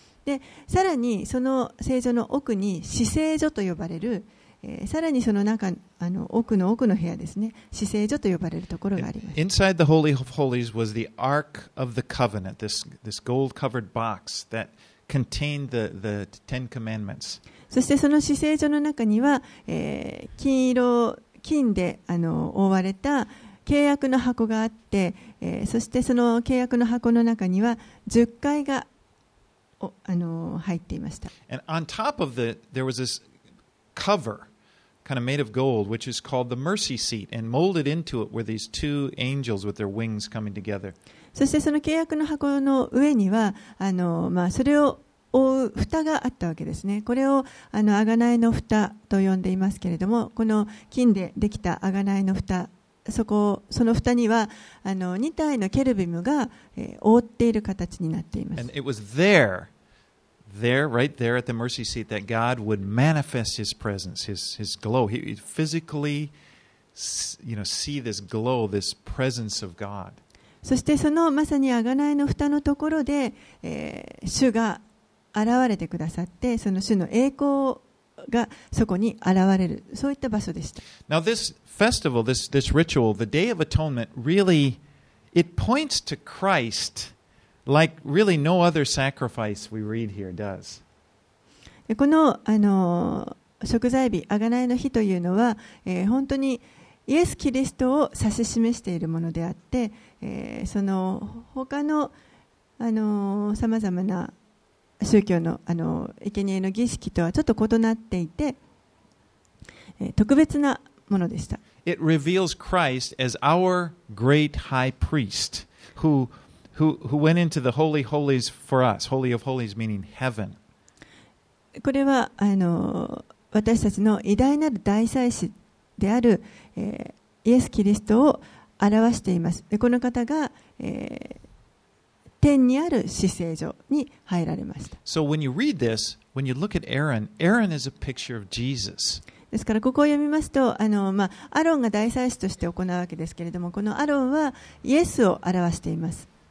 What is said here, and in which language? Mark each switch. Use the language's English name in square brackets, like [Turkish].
[Japanese] でさらにその聖所の奥に至聖所と呼ばれる、さらにその中、奥の奥の部屋ですね、至聖所と呼ばれるところがあります。 [English] Inside the Holy of Holies was the Ark of the Covenant, this gold-covered box that contained the Ten Commandments. [Japanese] そしてその至聖所の中には、金色、金で覆われた契約の箱があって、そしてその契約の箱の中には十戒が入っていました。 [English] And on top of there was this cover. Kind of made of gold, which is called the mercy seat, and molded into it were these two angels with their wings coming together. [Japanese] そしてその契約の箱の上にはそれを覆う蓋があったわけですね。これを贖いの蓋と呼んでいますけれども、この金でできた贖いの蓋、その蓋には2体のケルビムが覆っている形になっています。 [English] And it was there, right there at the mercy seat, that God would manifest His presence, His glow. He physically, see this glow, this presence of God. [Japanese] そしてそのまさに贖いの蓋のところで、主が現れてくださって、その主の栄光がそこに現れる、そういった場所でした。 [English] Now this festival, this ritual, the Day of Atonement, really, it points to Christ. Like really no other sacrifice we read here does. [Japanese] この贖罪日、贖いの日というのは、本当にイエス・キリストを指し示しているものであって、その他のさまざまな宗教の生贄の儀式とはちょっと異なっていて、特別なものでした。 [English] It reveals Christ as our great high priest who went into the Holy Holies for us. Holy of Holies meaning heaven. [Japanese] これは私たちの偉大なる大祭司である、イエス・キリストを表しています。で、この方が、天にある至聖所に入られました。 [English] So when you read this, when you look at Aaron, Aaron is a picture of Jesus. [Japanese] ですからここを読みますと、アロンが大祭司として行うわけですけれども、このアロンはイエスを表しています。